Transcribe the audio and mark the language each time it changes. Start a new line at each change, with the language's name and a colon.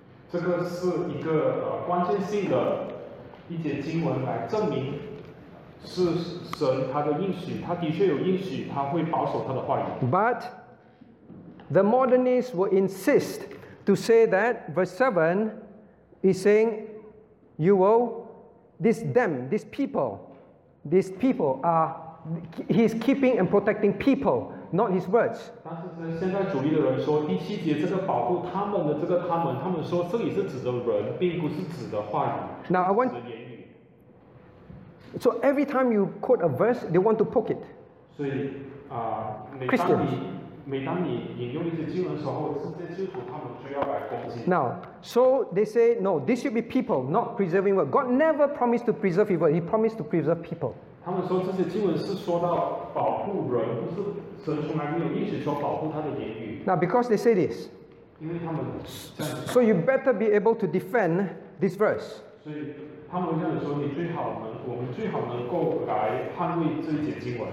Chinese: 这个是一个关键性的一节经文来证明是神他的应许，他的确有应许，他会保守他的话语。
English: But the modernists will insist to say that verse 7 is saying, you will, these people are, he is keeping and protecting people, not his words.
Chinese: 但是现在主义的人说第七节这个保护他们的这个他们说这里是指的人，并不是指的话语。
English: Now I want, so every time you quote a verse, they want to poke it.
Chinese: 所以Christians, 每当你引用一些经文的时候，这些基督徒他们就要来攻击。
English: Now, so they say, no, this should be people, not preserving word. God never promised to preserve his word. He promised to preserve people.
Chinese: 他们说这些经文是说到保护人，不是神从来没有应许说保护他的言语。
English: Now, because they say this,
Chinese: 因为他们，
English: so you better be able to defend this verse.
Chinese: 所以他们这样说，你最好能，我们最好能够来捍卫这一节经文。